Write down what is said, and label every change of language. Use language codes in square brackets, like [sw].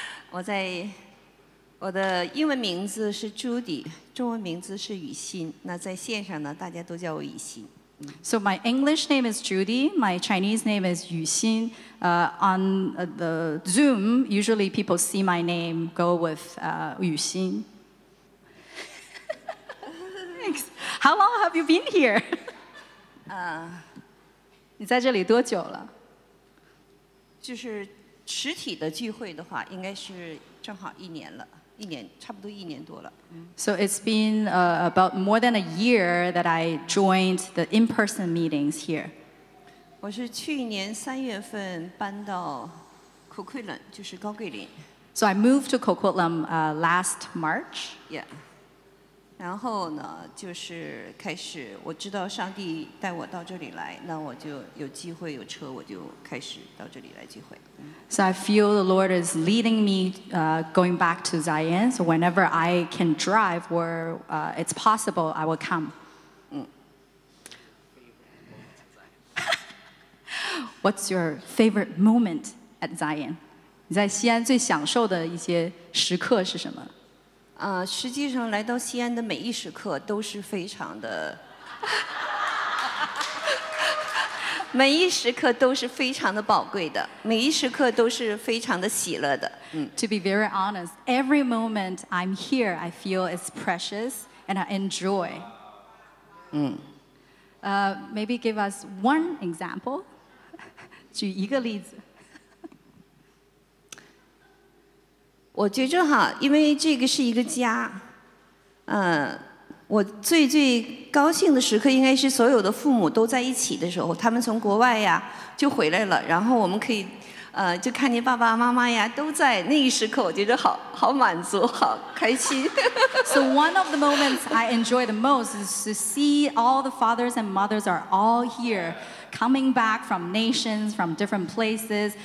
[zh] 我在我的英文名字是 Judy， 中文名字是雨欣。那在线上呢，大家都叫我雨欣。 [en] So my English name is Judy. My Chinese name is 雨欣。 On the Zoom, usually people see my name go with 雨欣。 Thanks. How long have you been here? [zh] 你在这里多久了？就是实体的聚会的话，应该是正好一年了，一年差不多一年多了。 [en] So it's been about more than a year that I joined the in-person meetings here. [zh] 我是去年三月份搬到 Coquitlam， 就是高贵林。 [en] So I moved to Coquitlam last March. Yeah. [zh] 然后呢，就是开始我知道上帝带我到这里来，那我就有机会有车，我就开始。 [en] So I feel the Lord is leading me going back to Zion. So whenever I can drive or it's possible, I will come. What's your favorite moment at Zion? [zh] 你在西安最享受的一些时刻是什么？实际上来到西安的每一时刻都是非常的。每一时刻都是非常的宝贵的，每一时刻都是非常的喜乐的。 [en] To be very honest, every moment I'm here, I feel it's precious and I enjoy. Maybe give us one example. [zh] 举一个例子。我觉着哈，因为这个是一个家，我最最高兴的时刻应该是所有的父母都在一起的时候，他们从国外呀就回来了，然后我们可以就看见爸爸妈妈呀都在，那一时刻我觉得好好满足，好开心。 [en] So one of the moments I enjoy the most is to see all the fathers and mothers are all here, coming back from nations, from different places.